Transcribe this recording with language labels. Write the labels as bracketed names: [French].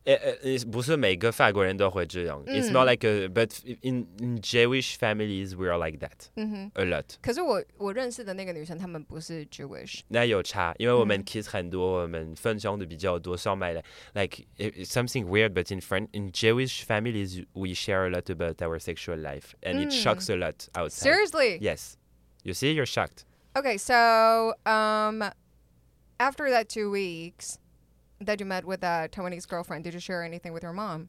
[Chinese] It's 不是每个法国人都会这样。 [English] It's not like a, but in Jewish families, we are like that、 mm-hmm. a lot. [Chinese] 可是我认识的那个女生，她们不是 Jewish. 那有差，因为我们 kiss 很多，我们分享的比较多。 [English] 上麦like it's something weird, but in Jewish families, we share a lot about our sexual life, and it shocks a lot outside. Seriously? Yes. You see, you're shocked. Okay, so after that 2 weeks. That you met with a Taiwanese girlfriend. Did you share anything with your mom?